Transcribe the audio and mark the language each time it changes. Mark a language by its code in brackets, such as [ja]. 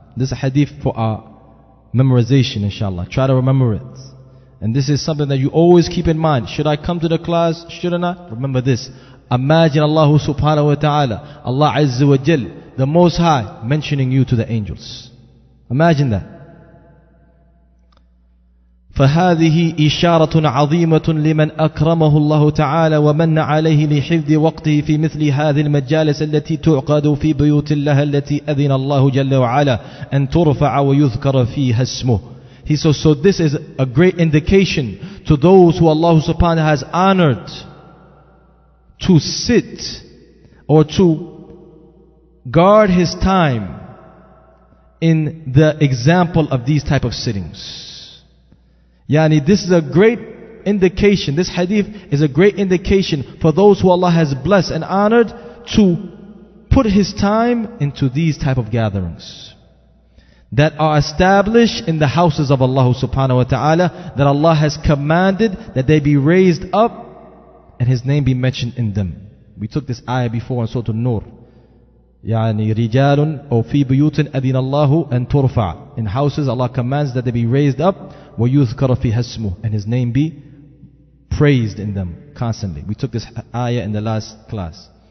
[en] This is a hadith for our memorization, inshallah. Try to remember it. And this is something that you always keep in mind. Should I come to the class? Should I not? Remember this. Imagine Allah subhanahu wa ta'ala, Allah azza wa jal, the Most High, mentioning you to the angels. Imagine that. [ar] فهذه إشارة عظيمة لمن أكرمه الله تعالى ومن عليه لحفظ وقته في مثل هذه المجالس التي تعقد في بيوت الله التي أذن الله جل وعلا أن ترفع ويذكر فيها اسمه. [en] He says, so this is a great indication to those who Allah subhanahu has honored to sit or to guard his time in the example of these type of sittings. Yani, this is a great indication. This hadith is a great indication for those who Allah has blessed and honored to put his time into these type of gatherings that are established in the houses of Allah subhanahu wa ta'ala, that Allah has commanded that they be raised up and his name be mentioned in them. We took this ayah before in Surah An-Nur. [ar] يعني رجال أو في بيوت أذن الله أن ترفع. [en] In houses Allah commands that they be raised up, [ar] ويذكر فيها اسمه, [en] and his name be praised in them constantly. We took this ayah in the last class.